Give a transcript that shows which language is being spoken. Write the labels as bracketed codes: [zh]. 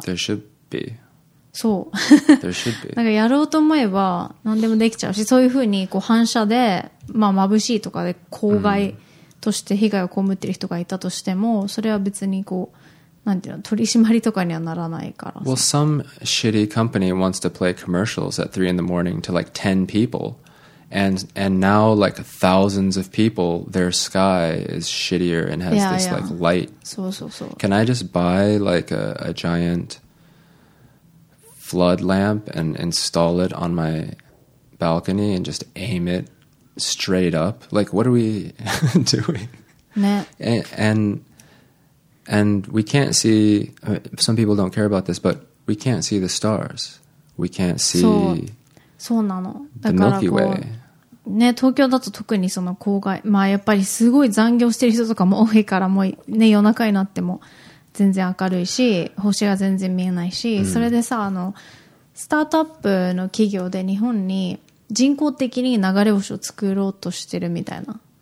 [en] There should be. [ja] そう。 [en] There should be. [ja] なんかやろうと思えば何でもできちゃうし、そういうふうにこう反射で、まあ、眩しいとかで公害として被害を被ってる人がいたとしても、それは別にこう、なんていうの、取り締まりとかにはならないから。 [en] Well, some shitty company wants to play commercials at 3 in the morning to like 10 people. And now like thousands of people, their sky is shittier and has like light. So, so, so. Can I just buy like a giant flood lamp and install it on my balcony and just aim it straight up? Like, what are we doing? And we can't see, some people don't care about this, but we can't see the stars. We can't see the Milky Way. [ja] ね、東京だと特にその公害、まあやっぱりすごい残業してる人とかも多いから、もうね、夜中になっても全然明るいし、星が全然見えないし、それでさ、あのスタートアップの企業で日本に人工的に流れ星を作ろうとしてるみたいな、